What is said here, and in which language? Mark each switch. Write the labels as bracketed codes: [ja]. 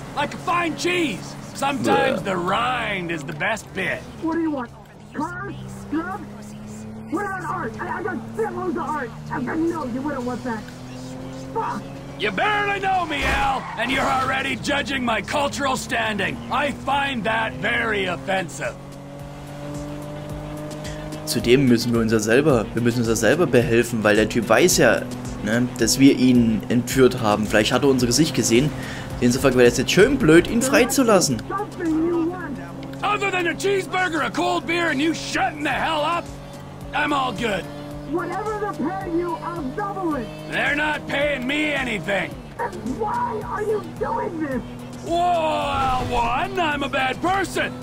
[en] Like a fine cheese. Sometimes the rind is the best bit. What do you want? Cars? Drugs? What about art? I got shitloads of art. I got no, you wouldn't want that. Fuck. You barely know me, Al, and you're already judging my cultural standing. I find that very offensive. [de] Zudem müssen wir uns ja selber behelfen, weil der Typ weiß ja, ne, dass wir ihn entführt haben. Vielleicht hat er unser Gesicht gesehen. Insofern wäre es jetzt schön blöd, ihn freizulassen. [en] Other than a cheeseburger, a cold beer, and you shutting the hell up, I'm all good. Whatever they're paying you, I'll double it. They're not paying me anything. Then why are you doing this? Well, one, I'm a bad person.